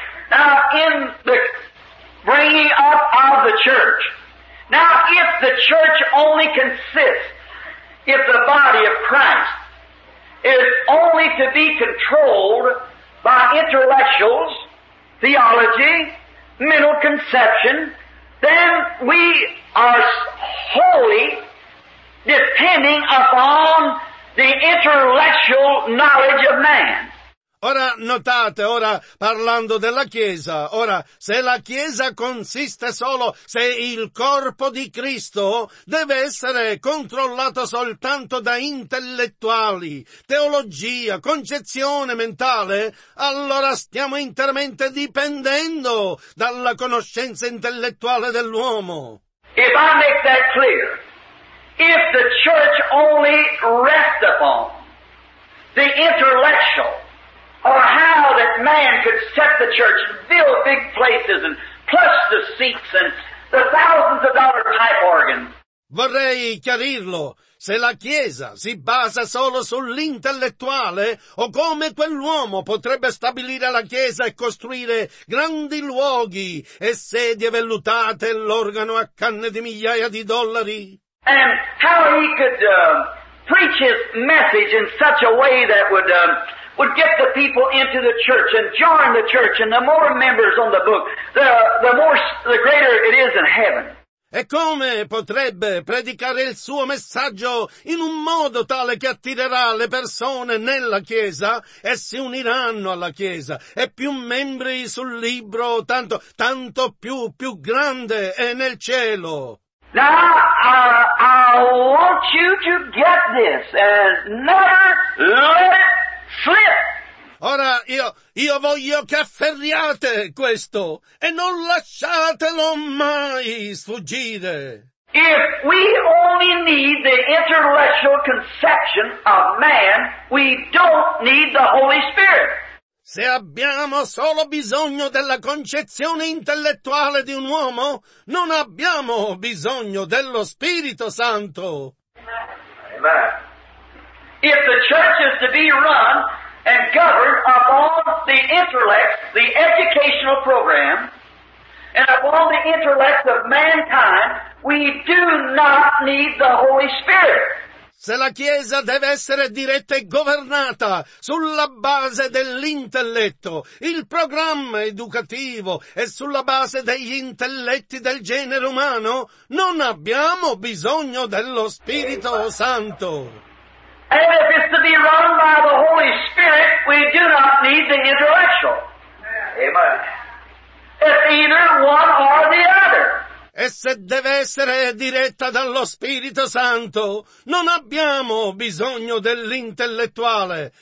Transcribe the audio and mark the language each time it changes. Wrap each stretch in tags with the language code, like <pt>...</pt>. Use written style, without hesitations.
<en>Now, in the bringing up of the church, now if the church only consists, if the body of Christ is only to be controlled by intellectuals, theology, mental conception, then we are wholly depending upon the intellectual knowledge of man.</en> <it>Ora notate, ora parlando della Chiesa, ora se la Chiesa consiste solo, se il corpo di Cristo deve essere controllato soltanto da intellettuali, teologia, concezione mentale, allora stiamo interamente dipendendo dalla conoscenza intellettuale dell'uomo.</it> <en>If I make that clear, if the church only rests upon the intellectual, or how that man could set the church and build big places and plush the seats and the thousands of dollar pipe organs.</en> <it>Vorrei chiarirlo. Se la Chiesa si basa solo sull'intellettuale, o come quell'uomo potrebbe stabilire la Chiesa e costruire grandi luoghi e sedie vellutate e l'organo a canne di migliaia di dollari.</it> <en>And how he could preach his message in such a way that would get the people into the church and join the church, and the more members on the book, the greater it is in heaven.</en> <it>E come potrebbe predicare il suo messaggio in un modo tale che attirerà le persone nella chiesa e si uniranno alla chiesa, e più membri sul libro, tanto più grande è nel cielo.</it> <en>Now, I want you to get this and never let it slip.</en> <it>Ora io voglio che afferriate questo e non lasciatelo mai sfuggire.</it> <en>If we only need the intellectual conception of man, we don't need the Holy Spirit.</en> <it>Se abbiamo solo bisogno della concezione intellettuale di un uomo, non abbiamo bisogno dello Spirito Santo.</it> <en>Amen. If the church is to be run and governed upon the intellect, the educational program, and upon the intellect of mankind, we do not need the Holy Spirit.</en> <it>Se la Chiesa deve essere diretta e governata sulla base dell'intelletto, il programma educativo e sulla base degli intelletti del genere umano, non abbiamo bisogno dello Spirito Santo.</it> <en>And if it's to be run by the Holy Spirit, we do not need the intellectual. Amen. It's either one or the other.</en> <it>E se deve essere diretta dallo Spirito Santo, non abbiamo bisogno dell'intellettuale.</it>